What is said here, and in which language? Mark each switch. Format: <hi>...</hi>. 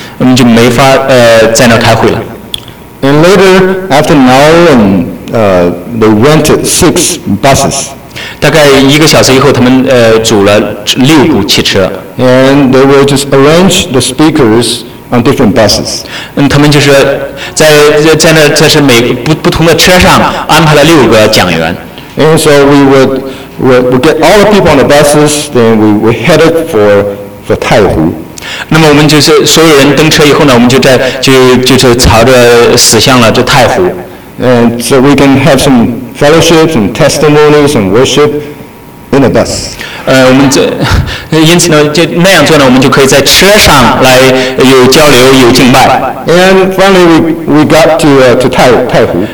<zh>我们就没法在那开会了。</zh> <en>And later, after an hour, and they rented 6 buses.</en> <zh>大概一个小时以后，他们租了6部汽车。</zh> <en>And they were just arrange the speakers on different buses.</en> <zh>他们就是在那，这是每不同的车上安排了6个讲员。</zh> <en>And so we would get all the people on the buses, then we headed for Taihu.</en> <zh>那么我们就是所有人登车以后呢，我们就朝着驶向了这太湖。</zh> <en>And so we can have some fellowships and testimonies and worship in the bus.</en> <zh>我们因此呢，就那样做呢，我们就可以在车上来有交流、有敬拜。</zh> <en>And finally, we got to 太湖。</en>